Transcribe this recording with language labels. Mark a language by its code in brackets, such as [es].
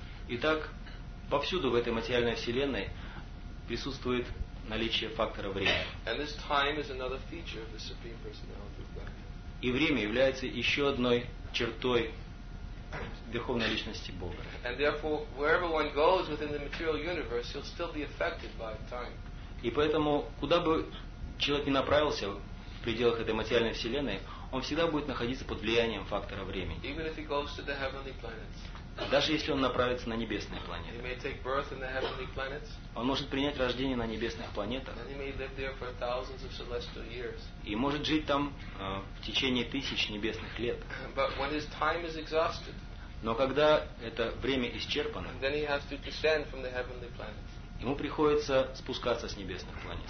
[ru] Итак, повсюду в этой материальной вселенной присутствует наличие фактора времени. [en] And this time is another feature of the Supreme Personality of Godhead. [ru] И время является еще одной чертой Верховной Личности Бога. [en] And therefore, wherever one goes within the material universe, he'll still be affected by time. [ru] И поэтому, куда бы человек ни направился в пределах этой материальной вселенной, он всегда будет находиться под влиянием фактора времени. [en] Even if he goes to the heavenly planets. [ru] Даже если он направится на небесные планеты. [en] He may take birth in the heavenly planets. [ru] Он может принять рождение на небесных планетах. [en] And he may live there for thousands of celestial years. [ru] И может жить там в течение тысяч небесных лет. [en] But when his time is exhausted, [ru] но когда это время исчерпано, [en] then he has to descend from the heavenly planets. [ru] Ему приходится спускаться с небесных планет.